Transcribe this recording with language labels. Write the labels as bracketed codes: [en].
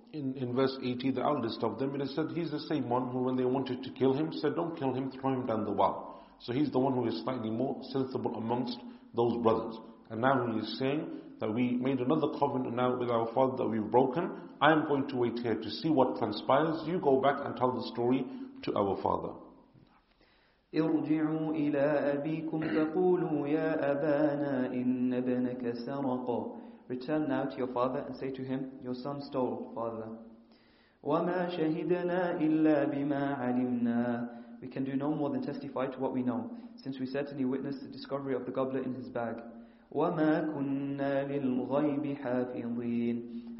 [en] In verse 80, the eldest of them, it is said he's the same one who, when they wanted to kill him, said, don't kill him, throw him down the well. So he's the one who is slightly more sensible amongst those brothers. And now he is saying that we made another covenant now with our father that we've broken. I am going to wait here to see what transpires. You go back and tell the story to our father. [ar] ارجعوا إلى أبيكم فقولوا يا أبانا إن ابنك سرق. [en] Return now to your father and say to him, your son stole, father. [ar] وما شهدنا إلا بما علمنا. [en] We can do no more than testify to what we know, since we certainly witnessed the discovery of the goblet in his bag. [ar] وما كنا للغيب حافظين.